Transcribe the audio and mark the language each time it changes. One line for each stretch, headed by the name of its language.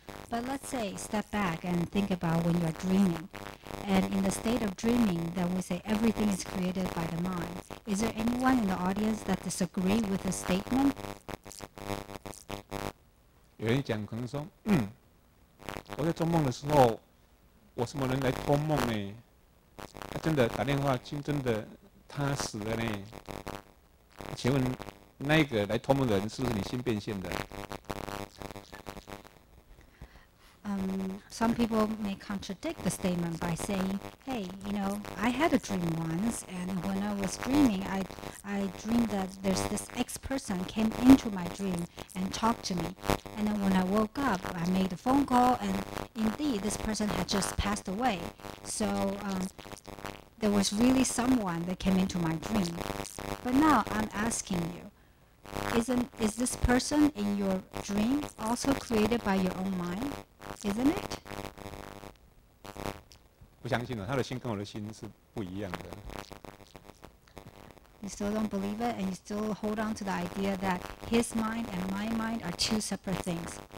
English: But let's say, step back and think about when you're dreaming. And in the state of dreaming, then we say everything is created by the mind. Is there anyone in the audience that disagree with the statement?
Chinese: 有人讲可能说，我在做梦的时候，我什么人来托梦呢？他真的打电话，真的他死了呢？请问那个来托梦的人是不是你心变现的？
English: Some people may contradict the statement by saying, hey, you know, I had a dream once, and when I was dreaming, I dreamed that there's this X person came into my dream and talked to me. And then when I woke up, I made a phone call, and indeed, this person had just passed away. So, there was really someone that came into my dream. But now I'm asking you, is this person in your dream also created by your own mind? Isn't it?
Chinese: 不相信了，他的心跟我的心是不一样的。
English: You still don't believe it, and you still hold on to the idea that his mind and my mind are two separate things.